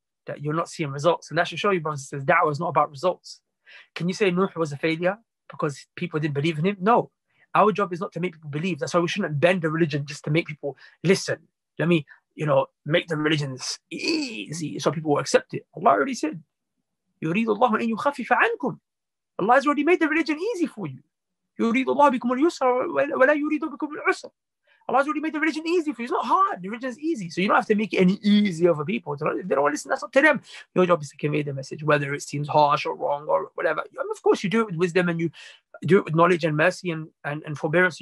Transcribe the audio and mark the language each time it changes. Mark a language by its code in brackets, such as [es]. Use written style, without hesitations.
[en] That you're not seeing results. And that should show you, brothers and sisters, da'wah is not about results. Can you say Nuh was a failure because people didn't believe in him? No. Our job is not to make people believe. That's why we shouldn't bend the religion just to make people listen. Let me, you know, make the religions easy so people will accept it. Allah already said, [ar] يُرِيدُ اللَّهُ أَن يُخَفِّفَ عَنْكُمْ. [en] Allah has already made the religion easy for you. [ar] يُرِيدُ اللَّهُ بِكُمُ الْيُسْرَ وَلَا يُرِيدُ بِكُمُ الْعُسْرَ. [en] Allah has already made the religion easy for you. It's not hard. The religion is easy. So you don't have to make it any easier for people. They don't want to listen. That's up to them. Your job is to convey the message, whether it seems harsh or wrong or whatever. And of course, you do it with wisdom and you do it with knowledge and mercy and forbearance.